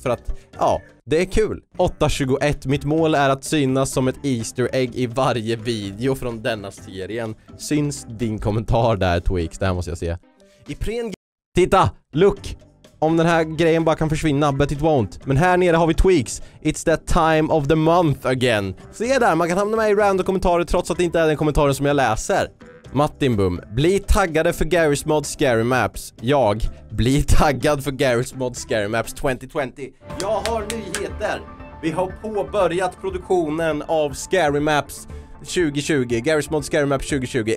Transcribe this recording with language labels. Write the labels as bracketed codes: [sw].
[sv] För att, ja, det är kul. 8.21, mitt mål är att synas som ett easter egg i varje video från denna serien. Syns din kommentar där, Twix, det här måste jag se. Titta, [en] look! [sv] Om den här grejen bara kan försvinna, [en] but it won't. [sv] Men här nere har vi tweaks. [en] It's that time of the month again. [sv] Se där, man kan hamna med i random kommentarer trots att det inte är den kommentaren som jag läser. Martin Boom. Bli taggade för Garry's Mod Scary Maps. Jag. Bli taggad för Garry's Mod Scary Maps 2020. Jag har nyheter. Vi har påbörjat produktionen av Scary Maps 2020, Garry's Mod Scary Map 2020.